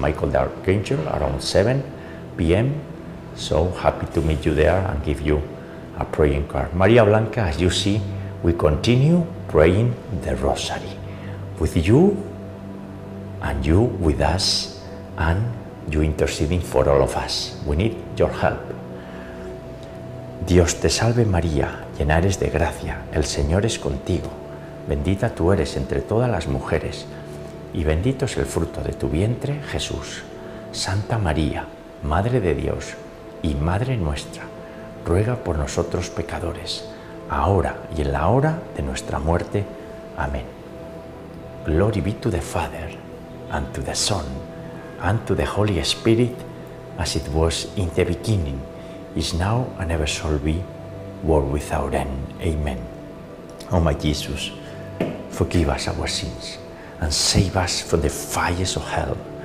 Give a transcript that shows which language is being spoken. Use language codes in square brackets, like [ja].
[en] Michael the Archangel around 7 p.m. So happy to meet you there and give you a praying card. María Blanca, as you see, we continue praying the Rosary with you and you with us, and you interceding for all of us. We need your help. [es] Dios te salve María, llena eres de gracia, el Señor es contigo. Bendita tú eres entre todas las mujeres y bendito es el fruto de tu vientre, Jesús. Santa María, Madre de Dios y Madre nuestra, ruega por nosotros pecadores, ahora y en la hora de nuestra muerte. Amén. [en] Glory be to the Father, and to the Son, and to the Holy Spirit, as it was in the beginning, is now, and ever shall be, world without end. Amen. Oh my Jesus, forgive us our sins, and save us from the fires of hell.